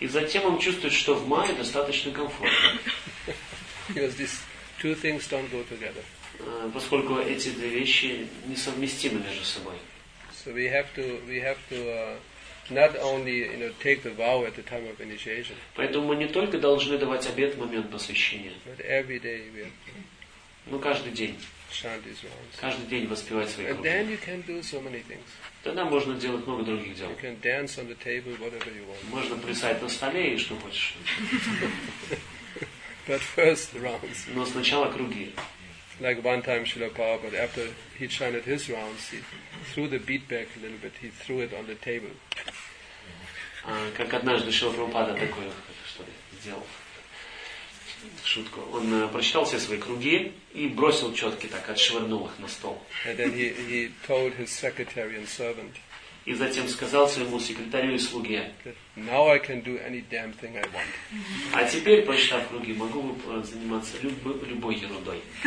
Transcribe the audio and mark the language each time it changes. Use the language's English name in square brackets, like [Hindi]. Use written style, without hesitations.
[Russian] И затем он чувствует, что в майе достаточно комфортно. [English] Because this two things don't go together. [Russian] Поскольку эти две вещи несовместимы между собой. [English] So we have to not only take the vow at the time of initiation. [Russian] Поэтому мы не только должны давать обет в момент посвящения. [English] But every day we have to. [Russian] Ну каждый день. [English] Chant these rounds. [Russian] Каждый день воспевать свои круги. [English] And then you can do so many things. [Russian] Тогда можно делать много других дел. [English] You can dance on the table, whatever you want. [Russian] Можно плясать на столе и что хочешь. [English] But first rounds. [Russian] Но сначала круги. [English] Like one time Srila Prabhupada, after he chanted his rounds, he threw the beat back a little bit, he threw it on the table. [Russian] Как однажды Шрила Прабхупада такое, что ли, сделал. Шутку. Он прочитал все свои круги и бросил четки так, отшвырнул их на стол. [English] And then he told his secretary and servant. [Russian] И затем сказал своему секретарю и слуге: [English] Now I can do any damn thing I want. [Russian] А теперь, прочитав круги, могу заниматься любой ерундой.